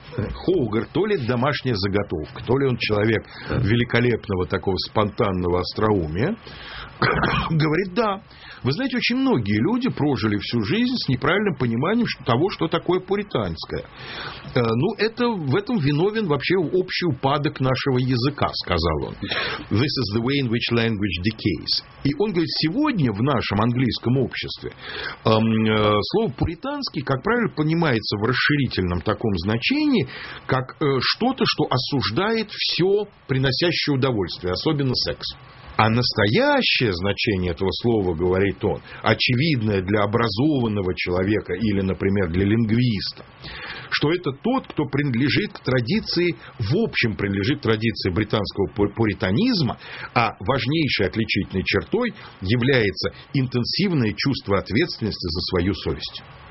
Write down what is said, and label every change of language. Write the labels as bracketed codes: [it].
[ru] Хоугер, то ли домашняя заготовка, то ли он человек великолепного такого спонтанного остроумия, говорит, да. Вы знаете, очень многие люди прожили всю жизнь с неправильным пониманием того, что такое пуританское. Ну, это, в этом виновен вообще общий упадок нашего языка, сказал он. [en] This is the way in which language decays. [ru] И он говорит, сегодня в нашем английском обществе слово пуританский, как правило, понимается в расширительном таком значении, как что-то, что осуждает все приносящее удовольствие, особенно секс. А настоящее значение этого слова, говорит он, очевидное для образованного человека или, например, для лингвиста, что это тот, кто принадлежит к традиции, в общем, принадлежит к традиции британского пуританизма, а важнейшей отличительной чертой является интенсивное чувство ответственности за свою совесть.